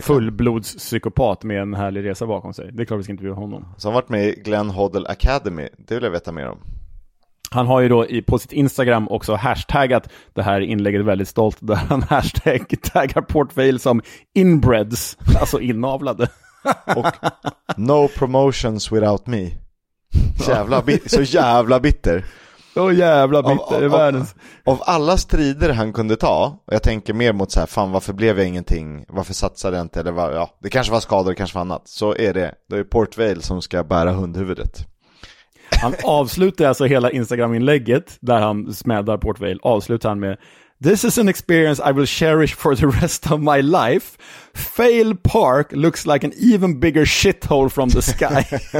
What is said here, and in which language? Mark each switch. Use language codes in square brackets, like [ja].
[sv] fullblodspsykopat med en härlig resa bakom sig. Det är klart vi ska intervjua honom. Så han har varit med i Glenn Hoddle Academy. Det vill jag veta mer om. Han har ju då på sitt Instagram också hashtaggat det här inlägget väldigt stolt, där han hashtaggar Port Vale som inbreds, alltså inavlade. Och [en] no promotions without me. [sv] Jävla så jävla bitter. Så jävla bitter. Av alla strider han kunde ta, och jag tänker mer mot så här, fan varför blev jag ingenting? Varför satsade jag inte? Eller var, ja, det kanske var skador, det kanske var annat. Så är det. Det är Port Vale som ska bära hundhuvudet. Han avslutar alltså hela Instagram-inlägget där han smädar Port Vale. Avslutar han med: [en] "This is an experience I will cherish for the rest of my life. Fail Park looks like an even bigger shithole from the sky."